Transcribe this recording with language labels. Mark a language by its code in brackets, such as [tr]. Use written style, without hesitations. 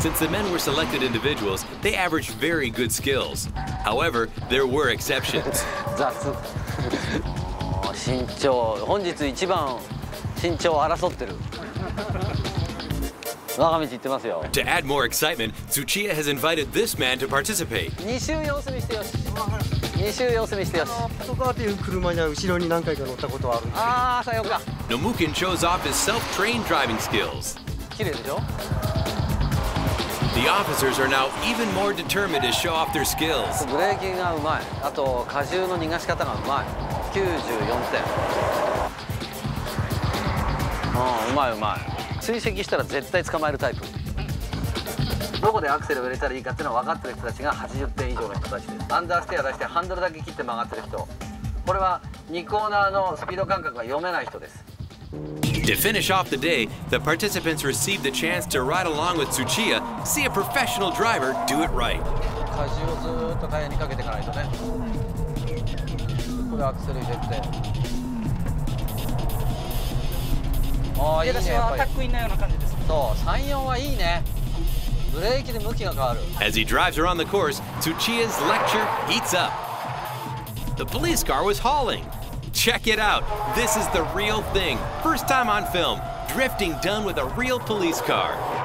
[en] Since the men were selected individuals, they averaged very good skills. However, there were exceptions. [ja] 雑。身長、本日一番身長を争ってる。我が道行ってますよ。 [en] To add more excitement, Tsuchiya has invited this man to participate. [ja] 2周様子見してよし。2周様子見してよし。ホットバーっていう車には後ろに何回か乗ったことはあるんですけど。ああ、さようか。 [en] Nomukin shows off his self-trained driving skills. [ja] 綺麗でしょ。 [en] The officers are now even more determined to show off their skills. [ja] ブレーキがうまい。あと荷重の逃がし方がうまい。94点。ああ、うまいうまい。追跡したら絶対捕まえるタイプ。どこでアクセルを入れたらいいかっていうのは分かってる人たちが80点以上の人たちです。アンダーステア出してハンドルだけ切って曲がってる人、これは2コーナーのスピード感覚が読めない人です。 [en] To finish off the day, the participants received the chance to ride along with Tsuchiya, see a professional driver do it right. [ja] 荷重をずっとタイヤにかけていかないとね。ここでアクセル入れて、あー、いいね。私はアタックインのような感じです。そう、34はいいね。ブレーキで向きが変わる。 [en] As he drives around the course, Tsuchiya's lecture heats up. The police car was hauling. Check it out. This is the real thing. First time on film. Drifting done with a real police car.